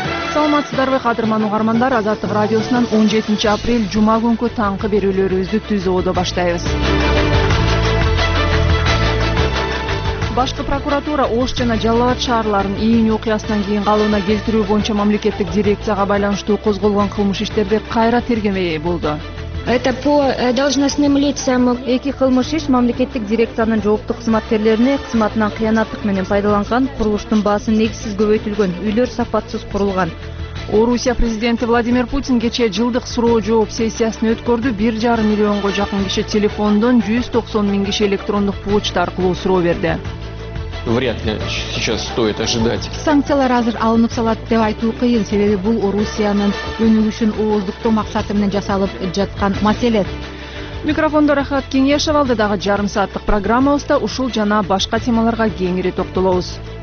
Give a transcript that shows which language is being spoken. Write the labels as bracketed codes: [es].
[ky] Саламатсыздар ба, кадырман угармандар, Азаттык радиосунан 17 апрель жума күнкү таңкы берүүлөрүбүздү түзүүдө баштайбыз. Башкы прокуратура Ош жана Жалал-Абад шаарларын ИИН окуясынан кийин калыбына келтирүү боюнча мамлекеттик дирекцияга байланыштуу козголгон кылмыш иштерди кайра тергемей болду. [ru] Это по должностным лицам. [ky] Эки кылмыш иш мамлекеттик дирекциянын жооптуу кызматкерлерине кызматынан кыянаттык менен пайдаланган, курулуштун баасы негизсиз көбөйтүлгөн, үйлөр сапатсыз курулган. Орусия президенти Владимир Путин кечээ жылдык суроо-жооп сессиясын өткөрдү. 1,5 миллионго жакын киши телефондон, 190 000 киши электрондук почта аркылуу суроо берди. [ru] Вряд ли сейчас стоит ожидать. [ky] Санкциялар азыр алынып салат деп айтуу кыйын, себеби бул Орусиянын өнүгүшүн ооздуктоо максаты менен жасалып жаткан маселе. Микрофондо Рахат Кеңешов, алдыдагы жарым сааттык программабызда ушул жана башка темаларга кеңири токтолобуз.